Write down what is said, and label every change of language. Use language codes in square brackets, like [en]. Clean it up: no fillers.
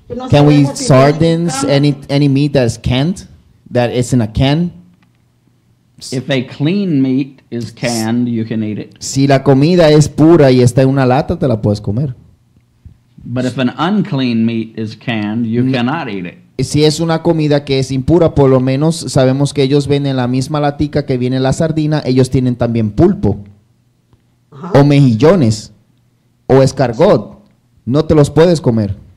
[en] Can we eat sardines, any meat that is canned, that is in a can? If a clean meat is canned, you can eat it. [es] Si la comida es pura y está en una lata, te la puedes comer. [en] But if an unclean meat is canned, you cannot eat it. [es] Si es una comida que es impura, por lo menos sabemos que ellos venden la misma latica que viene la sardina, ellos tienen también pulpo. O mejillones, o escargot, no te los puedes comer.